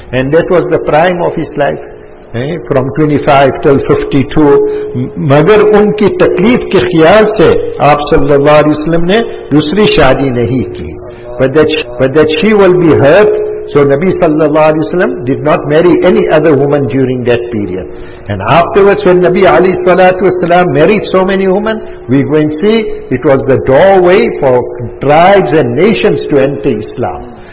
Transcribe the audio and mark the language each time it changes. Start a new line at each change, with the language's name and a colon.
English: And that was the prime of his life. From 25 till 52.
Urdu: مگر ان کی تکلیف کے خیال سے آپ صلی اللہ علیہ وسلم نے دوسری شادی نہیں کی.
English: But that she will be hurt. So Nabi sallallahu alayhi wa sallam did not marry any other woman during that period. And afterwards when Nabi alayhi salatu wa sallam married so many women, we go and see it was the doorway for tribes and nations to enter Islam.